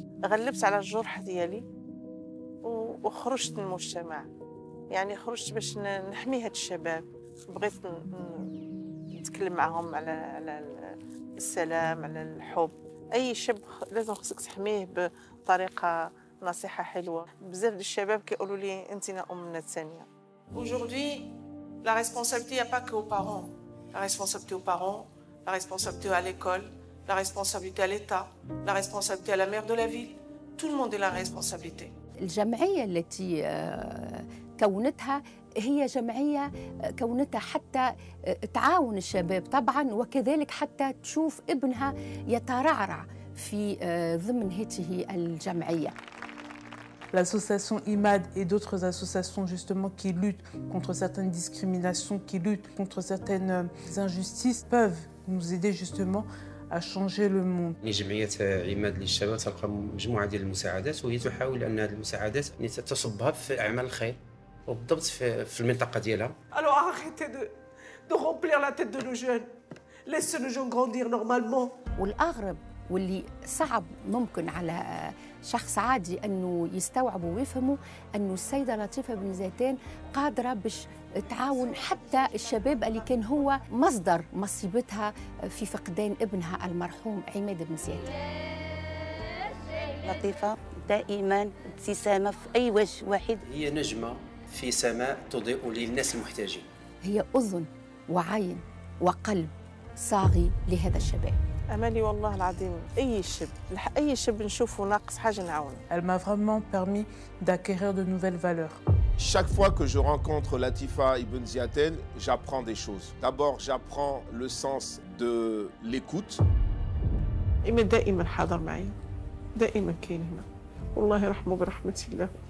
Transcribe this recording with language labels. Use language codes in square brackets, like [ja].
[ar] غلبت على الجرح ديالي وخرجت من المجتمع يعني خرجت باش نحمي هاد الشباب بغيت نتكلم معاهم على السلام على الحب اي شاب لازم خصك تحميه بطريقه نصيحة حلوة بزاف ديال الشباب كيقولوا لي انتنا امنا الثانيه [fr] aujourd'hui la responsabilité y a pas que aux parents la responsabilité aux parents la responsabilité à l'école la responsabilité à l'état la responsabilité à la maire de la ville tout le monde est la responsabilité [ar] الجمعيه التي كونتها هي جمعيه كونتها حتى تعاون الشباب طبعا وكذلك حتى تشوف ابنها يترعرع في ضمن هذه الجمعيه [fr] L'association IMAD et d'autres associations justement qui luttent contre certaines discriminations, qui luttent contre certaines injustices, peuvent nous aider justement à changer le monde. [ar] Les جمعيات IMAD للشباب تلقى مجموعة ديال المساعدات وهي تحاول أن هذه المساعدات تصبها في أعمال الخير وبالضبط في المنطقة ديالها. [fr] Alors arrêtez de remplir la tête de nos jeunes. Laissez nos jeunes grandir normalement. [ar] والأغرب واللي صعب ممكن على شخص عادي أنه يستوعب ويفهمه أنه السيدة لطيفة بن زيتان قادرة باش تعاون حتى الشباب اللي كان هو مصدر مصيبتها في فقدان ابنها المرحوم عماد بن زيتان لطيفة دائما ابتسامة في أي وجه واحد هي نجمة في سماء تضيء للناس المحتاجين هي أذن وعين وقلب صاغي لهذا الشباب أمالي والله العظيم أي شاب أي شاب نشوفه ناقص حاجة نعاونه. [fr] Elle m'a vraiment permis d'acquérir de nouvelles valeurs. Chaque fois que je rencontre Latifa Ibn Ziaten, j'apprends des choses. D'abord, j'apprends le sens de l'écoute. [ar] إيمان دائما حاضر معي دائما كاين هنا والله يرحمه برحمة الله.